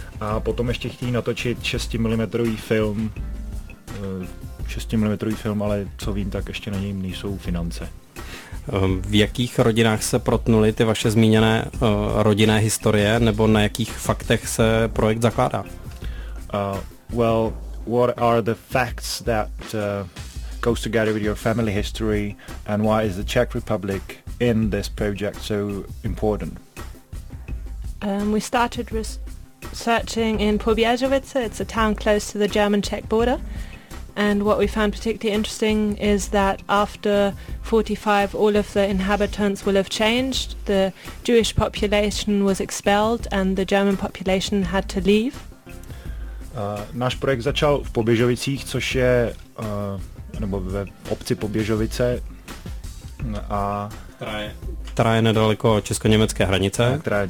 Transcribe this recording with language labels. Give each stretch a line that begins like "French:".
Czech: A potom ještě chtějí natočit 6mm film. 6mm film, ale co vím, tak ještě na něm nejsou finance. V jakých rodinách se protnuly ty vaše zmíněné rodinné historie, nebo na jakých faktech se projekt zakládá?
English: Well, what are the facts that goes together with your family history, and why is the Czech Republic in this project so important? We started researching in Pobiezovice. It's a town close to the German-Czech border. And what we found particularly interesting is that after 45, all of the inhabitants will have changed. The Jewish population was expelled and the German population had to leave.
Czech: Náš projekt začal v Poběžovicích, což je nebo ve obci Poběžovice. A která je nedaleko česko-německé hranice.